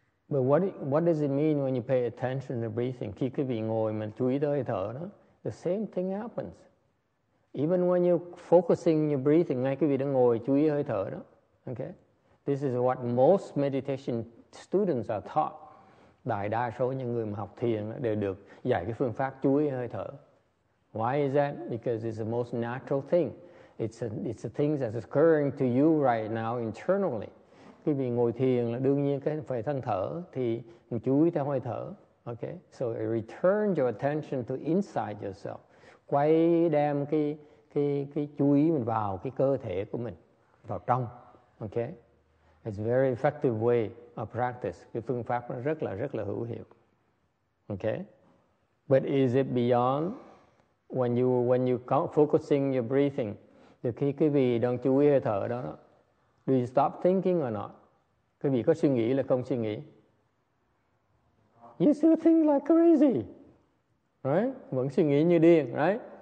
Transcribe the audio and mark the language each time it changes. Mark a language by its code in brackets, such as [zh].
[en] But what does it mean when you pay attention to breathing? [vi] Khi quý vị ngồi mà chú ý tới hơi thở đó, [en] the same thing happens. Even when you're focusing your breathing, [vi] ngay quý vị đang ngồi chú ý hơi thở đó. [en] Okay? This is what most meditation students are taught. [vi] Đại đa số những người mà học thiền đều được dạy cái phương pháp chú ý hơi thở. [en] Why is that? Because it's the most natural thing. It's a thing that's occurring to you right now internally. [vi] Khi mình ngồi thiền là đương nhiên cái phải thân thở thì mình chú ý theo hơi thở. [en] Okay, so it returns your attention to inside yourself. [vi] Quay đem cái chú ý mình vào cái cơ thể của mình, vào trong. [en] Okay, it's a very effective way of practice. [vi] Cái phương pháp nó rất là hữu hiệu. [en] Okay, but is it beyond when you focusing your breathing? [vi] Thì khi quý vị đang chú ý hơi thở đó, [en] do you stop thinking or not? [vi] Quý vị có suy nghĩ là không suy nghĩ? [en] You still think like crazy, right? [vi] Vẫn suy nghĩ như điên, right?